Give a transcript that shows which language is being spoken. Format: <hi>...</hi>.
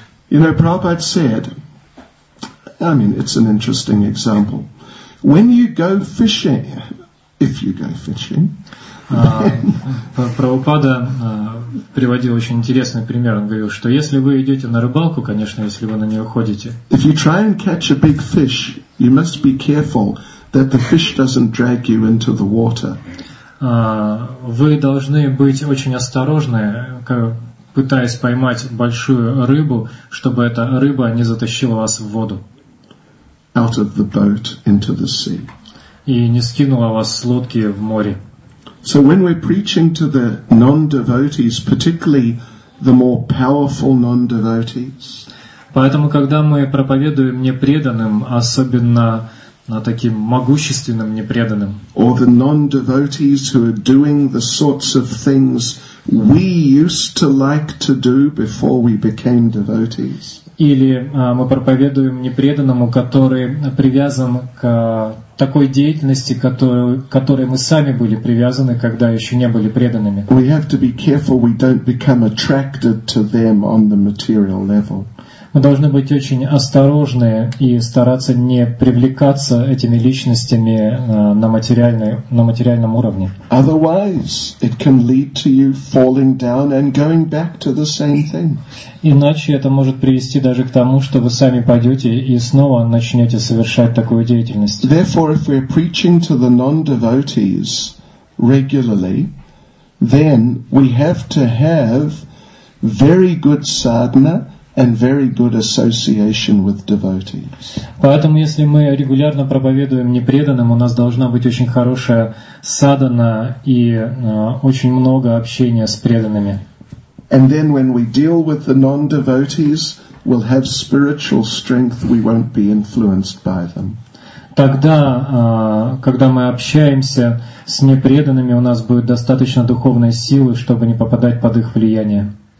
<en>You know, Prabhupada said, I mean, it's an interesting example. When you go fishing, if you go fishing,</en> <ru>Прабхупада приводил очень интересный пример. Он говорил, что если вы идете на рыбалку, конечно, если вы на нее ходите.</ru> <en>If you try and catch a big fish, you must be careful that the fish doesn't drag you into the water.</en> <ru>Вы должны быть очень осторожны, пытаясь поймать большую рыбу, чтобы эта рыба не затащила вас в воду.</ru> <en>Out of the boat into the sea.</en> <ru>И не скинула вас с лодки в море.</ru> <en>So when we're preaching to the non-devotees, particularly the more powerful non-devotees,</en> <ru>поэтому когда мы проповедуем непреданным, особенно на таким могущественным непреданным,</ru> <en>or the non-devotees who are doing the sorts of things we used to like to do before we became devotees,</en> <ru>или мы проповедуем непреданному, который привязан к такой деятельности, которой мы сами были привязаны, когда еще не были преданными.</ru> <en>We have to be careful we don't become attracted to them on the material level.</en> <ru>Мы должны быть очень осторожны и стараться не привлекаться этими личностями на материальном уровне.</ru> <en>Otherwise, it can lead to you falling down and going back to the same thing.</en> <ru>Иначе это может привести даже к тому, что вы сами пойдете и снова начнете совершать такую деятельность.</ru> <en>Therefore, if we're preaching to the non-devotees regularly, then we have to have very good sadhana and very good association with devotees.</en> <ru>Поэтому если мы регулярно проповедуем непреданным, у нас должна быть очень хорошая садхана и очень много общения с преданными.</ru> <en>And then when we deal with the non-devotees, we'll have spiritual strength, we won't be influenced by them.</en> <ru>Тогда, когда мы общаемся с непреданными, у нас будет достаточно духовной силы, чтобы не попадать под их влияние.</ru>